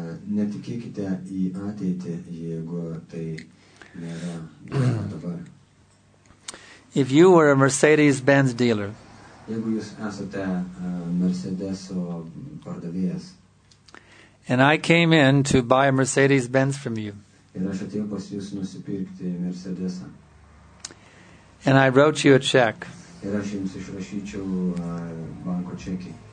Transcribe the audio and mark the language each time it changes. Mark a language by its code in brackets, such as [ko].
[lt] Netikėkite į ateitį, jeigu tai nėra dabar. [en] If you were a Mercedes-Benz dealer, [lt] jeigu jūs esate Mercedes'o pardavėjas, [en] and I came in to buy a Mercedes-Benz from you, [lt] ir aš atėjau pas jūs nusipirkti Mercedes'ą, [en] and I wrote you a check, [lt] ir aš jums išrašyčiau banko čekį,